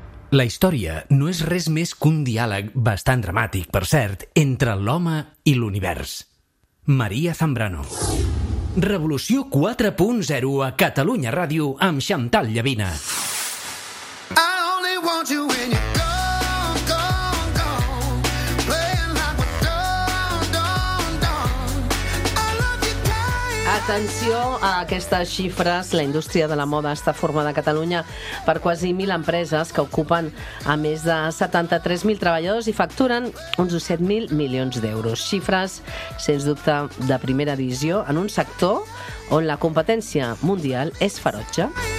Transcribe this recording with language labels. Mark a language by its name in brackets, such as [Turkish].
[Catalan] La història no és res més que un diàleg bastant dramàtic, per cert, entre l'home i l'univers. Maria Zambrano. Revolució 4.0 a Catalunya Ràdio amb Chantal Llavina. [English] I only want you when you're gone, gone, gone. Playing like we're done, done, done. I love you, baby. [Catalan] Atenció a aquestes xifres. La indústria de la moda està formada a Catalunya per quasi 1.000 empreses que ocupen a més de 73.000 treballadors i facturen uns 7.000 milions d'euros. Xifres, sens dubte, de primera divisió en un sector on la competència mundial és ferotge.